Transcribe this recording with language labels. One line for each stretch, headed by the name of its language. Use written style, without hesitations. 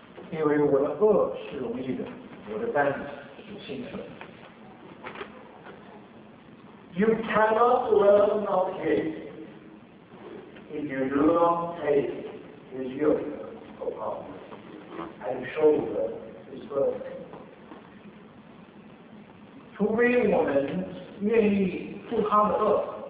Chinese: 因为我的轭是容易的，我的担子是轻的。
English: You cannot learn of him if you do not take his yoke upon you and shoulder his burden.
Chinese: 除非我们愿意负他的轭。